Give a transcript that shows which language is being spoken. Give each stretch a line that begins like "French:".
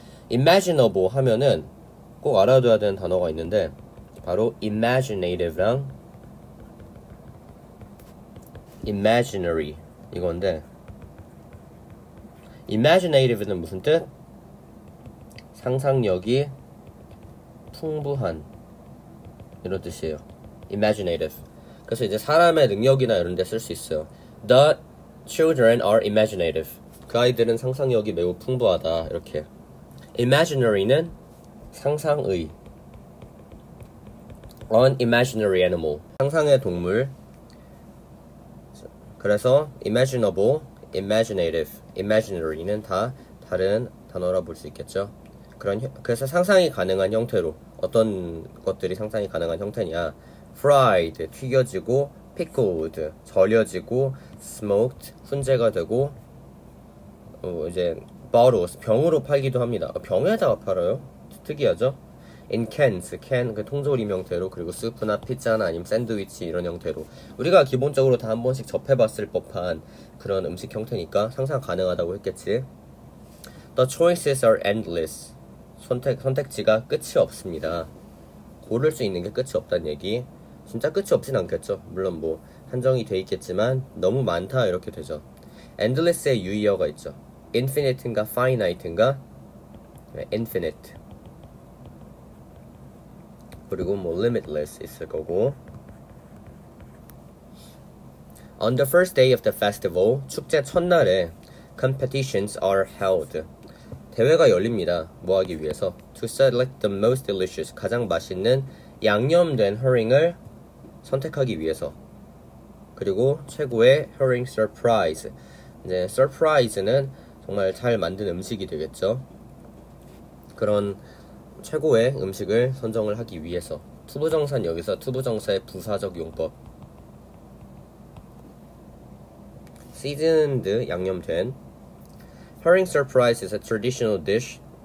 Korean: Imaginable 하면은 꼭 알아둬야 되는 단어가 있는데 바로 imaginative랑 imaginary 이건데 imaginative는 무슨 뜻? 상상력이 풍부한 이런 뜻이에요.
English: imaginative.
Korean: 그래서 이제 사람의 능력이나 이런 데쓸수 있어요.
English: The children are imaginative.
Korean: 그 아이들은 상상력이 매우 풍부하다. 이렇게. imaginary는 상상의.
English: An imaginary animal.
Korean: 상상의 동물. 그래서 imaginable, imaginative, imaginary는 다 다른 단어라 볼 수 있겠죠. 그래서 상상이 가능한 형태로 어떤 것들이 상상이 가능한 형태냐? fried, 튀겨지고, pickled, 절여지고, smoked, 훈제가 되고, 이제 bottles, 병으로 팔기도 합니다. 병에다가 팔아요? 특이하죠? in cans, can, 그 통조림 형태로, 그리고 수프나 피자나 아니면 샌드위치 이런 형태로 우리가 기본적으로 다 한 번씩 접해봤을 법한 그런 음식 형태니까 상상 가능하다고 했겠지.
English: The choices are endless.
Korean: 선택지가 끝이 없습니다. 고를 수 있는 게 끝이 없다는 얘기. 진짜 끝이 없진 않겠죠. 물론 뭐 한정이 돼 있겠지만 너무 많다 이렇게 되죠. endless의 유의어가 있죠. infinite인가 finite인가? infinite. 그리고 뭐 limitless 있을 거고.
English: On the first day of the festival,
Korean: 축제 첫날에
English: competitions are held.
Korean: 대회가 열립니다. 뭐 하기 위해서?
English: To select the most delicious,
Korean: 가장 맛있는 양념된 herring을 선택하기 위해서. 그리고 최고의 herring surprise. 이제 surprise는 정말 잘 만든 음식이 되겠죠. 그런 최고의 음식을 선정을 하기 위해서. 투부정사는 여기서 투부정사의 부사적 용법. seasoned, 양념된.
English: Herring surprise is a traditional dish.